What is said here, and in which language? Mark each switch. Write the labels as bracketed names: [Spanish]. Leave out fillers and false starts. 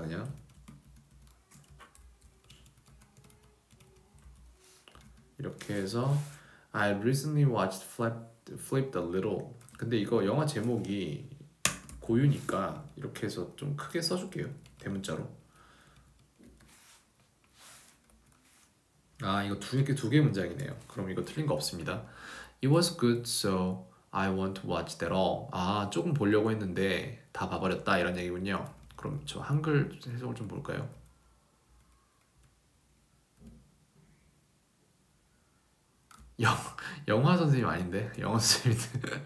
[Korean] 그냥 이렇게 해서 [English] I recently watched Flipped a little. [Korean] 근데 이거 영화 제목이 고유니까 이렇게 해서 좀 크게 써줄게요. 대문자로. 아, 이거 두개 문장이네요. 그럼 이거 틀린 거 없습니다. [English] It was good, so I want to watch that all. [Korean] 아, 조금 보려고 했는데 다 봐버렸다 이런 얘기군요. 그럼 저 한글 해석을 좀 볼까요? 영화 선생님 아닌데? 영어 선생님.